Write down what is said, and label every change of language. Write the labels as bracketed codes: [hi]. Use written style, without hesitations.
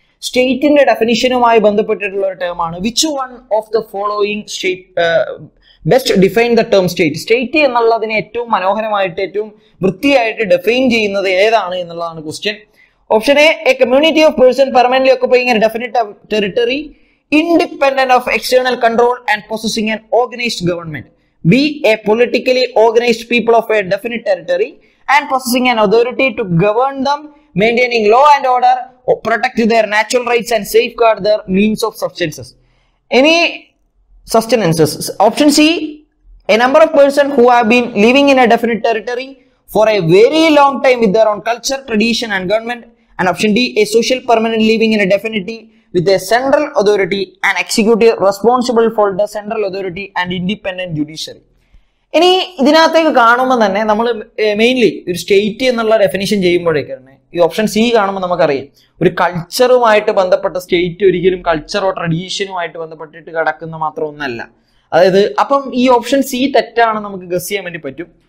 [ml] സ്റ്റേറ്റിന്റെ ഡെഫിനിഷനുമായി ബന്ധപ്പെട്ടിട്ടുള്ള ഒരു ടേം ആണ്. [en] Which one of the following state best define the term state? [ml] State എന്നുള്ളതിനെ ഏറ്റവും മനോഹരമായിട്ട് ഏറ്റവും വൃത്തിയായിട്ട് ഡിഫൈൻ ചെയ്യുന്നത് ഏതാണ് എന്നുള്ളതാണ് question. [en] Option A community of person permanent occupying a definite territory independent of external control and possessing an organized government. B. A politically organized people of a definite territory and possessing an authority to govern them, maintaining law and order, protect their natural rights and safeguard their means of subsistence. Any sustenances? Option C. A number of persons who have been living in a definite territory for a very long time with their own culture, tradition and government. And option D. A social permanent living in a definite with a central authority and executive responsible for the central authority and independent judiciary. [ml] ഇനി ഇതിനകത്തേക്ക് കാണുമ്പോൾ തന്നെ നമ്മൾ mainly ഒരു state എന്നുള്ള definition ചെയ്യുമ്പോഴേക്ക് തന്നെ ഈ option C കാണുമ്പോൾ നമുക്കറിയാം ഒരു കൾച്ചറുമായിട്ട് ബന്ധപ്പെട്ട സ്റ്റേറ്റ് ഒരിക്കലും കൾച്ചറോ ട്രഡീഷനുമായിട്ട് ബന്ധപ്പെട്ടിട്ട് കിടക്കുന്ന മാത്രം ഒന്നല്ല. അതായത് അപ്പം ഈ ഓപ്ഷൻ സി തെറ്റാണെന്ന് നമുക്ക് ഗസ് ചെയ്യാൻ വേണ്ടി പറ്റും.